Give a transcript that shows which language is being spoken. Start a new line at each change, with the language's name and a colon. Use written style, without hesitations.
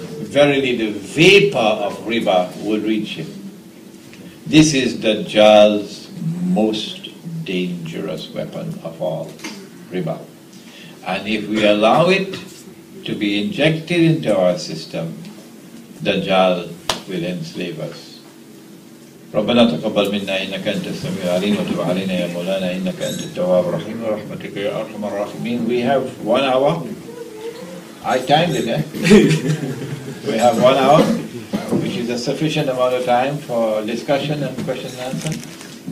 English: Verily the vapor of riba would reach him. This is Dajjal's most dangerous weapon of all, riba. And if we allow it to be injected into our system, Dajjal will enslave us.
Arabic: ربنا تقبل منا إنك أنت السميع العليم وتب علينا يا مولانا إنك أنت التواب الرحيم ورحمتك يا أرحم الراحمين.
English: We have 1 hour. I timed it, eh? We have 1 hour, which is a sufficient amount of time for discussion and question and answer.